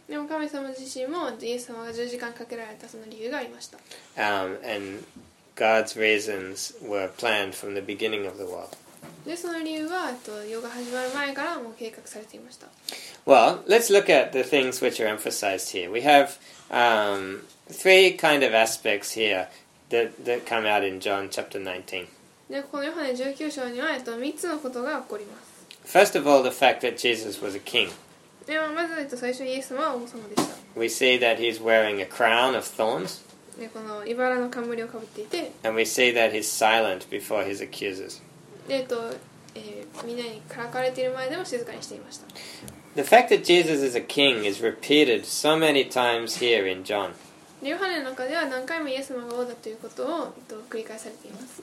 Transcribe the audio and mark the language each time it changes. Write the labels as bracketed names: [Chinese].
[Japanese] でも神様自身もイエス様が十字架にかけられたその理由がありました。 [English] And God's reasons were planned from the beginning of the world. [Japanese] で、その理由は、世が始まる前からもう計画されていました。 [English] Well, let's look at the things which are emphasized here. We have three kind of aspects here that come out in John chapter 19. [Japanese] で、このヨハネ19章には、3つのことが起こります。 [English] First of all, the fact that Jesus was a king. [Japanese] で、まず、最初イエス様は王様でした。 [English] We see that he's wearing a crown of thorns. [Japanese] で、この茨の冠をかぶっていて、 [English] And we see that he's silent before his accusers. [Japanese] で、みんなにからかわれている前でも静かにしていました。 [English] The fact that Jesus is a king is repeated so many times here in John. [Japanese] で、ヨハネの中では何回もイエス様が王だということを繰り返されています。